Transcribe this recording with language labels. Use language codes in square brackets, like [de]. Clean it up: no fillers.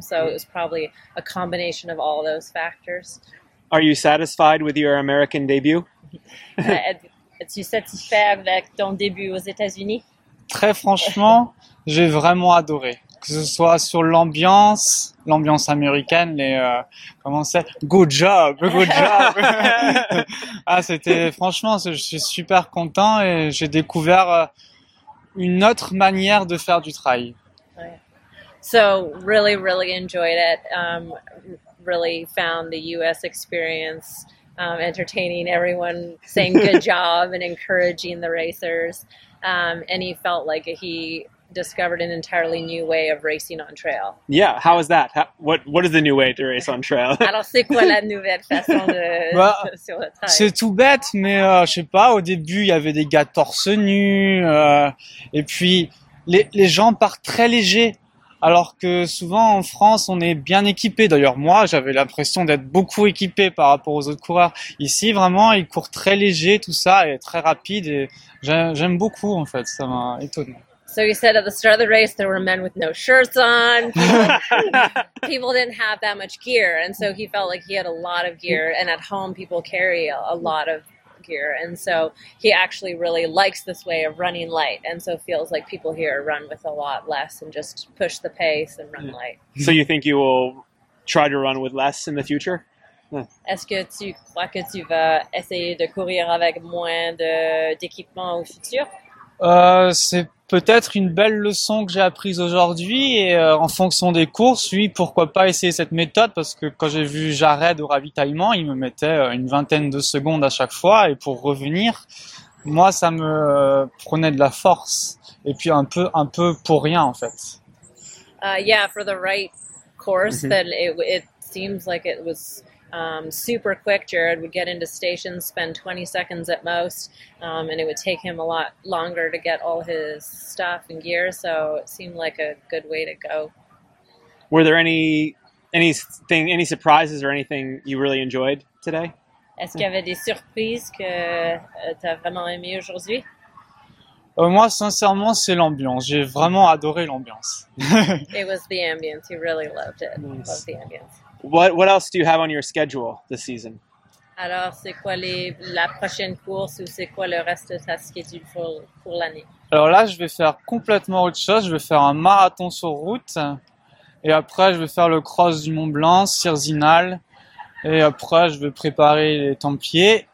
[en] So it was probably a combination of all those factors. Are you satisfied with your American debut? [fr] Es-tu satisfait avec ton début aux États-Unis? Très franchement, j'ai vraiment adoré. Que ce soit sur l'ambiance américaine, les comment c'est, [en] good job. [fr] Ah, c'était franchement, je suis super content et j'ai découvert une autre manière de faire du trail. [en] So really, really enjoyed it. Really found the U.S. experience entertaining. Everyone saying good job and encouraging the racers, and he felt like he discovered an entirely new way of racing on trail. Yeah, how is that? What is the new way to race on trail? [fr] Alors c'est quoi la nouvelle façon de sur le trail? C'est tout bête, mais je sais pas. Au début, il y avait des gars torse nus, et puis les gens partent très légers. Alors que souvent en France, on est bien équipé. D'ailleurs, moi, j'avais l'impression d'être beaucoup équipé par rapport aux autres coureurs. Ici, vraiment, ils courent très léger, tout ça, et très rapide. Et j'aime beaucoup, en fait. Ça m'a étonné. [en] So you said at the start of the race, there were men with no shirts on. People didn't have that much gear. And so he felt like he had a lot of gear. And at home, people carry a lot of gear. And so he actually really likes this way of running light. And so feels like people here run with a lot less and just push the pace and run light. So you think you will try to run with less in the future? [fr] Est-ce que tu crois que tu vas essayer de courir avec moins d'équipement au futur? C'est peut-être une belle leçon que j'ai apprise aujourd'hui et en fonction des courses, oui, pourquoi pas essayer cette méthode parce que quand j'ai vu Jared au ravitaillement, il me mettait une vingtaine de secondes à chaque fois et pour revenir, moi, ça me prenait de la force et puis un peu pour rien en fait. [en] Yeah, for the right course, then it seems like it was super quick. Jared would get into stations, spend 20 seconds at most, and it would take him a lot longer to get all his stuff and gear, so it seemed like a good way to go. Were there any surprises or anything you really enjoyed today? [fr] Est-ce qu'il y avait des surprises que tu as vraiment aimé aujourd'hui? Moi, sincèrement, c'est l'ambiance. J'ai vraiment adoré l'ambiance. [en] It was the ambiance. He really loved it. Nice. Loved the ambiance. What else do you have on your schedule this season? [fr] Alors, c'est quoi la prochaine course ou c'est quoi le reste de ta schedule pour l'année? Alors là, je vais faire complètement autre chose. Je vais faire un marathon sur route. Et après, je vais faire le cross du Mont Blanc, Cirzinal. Et après, je vais préparer les Templiers.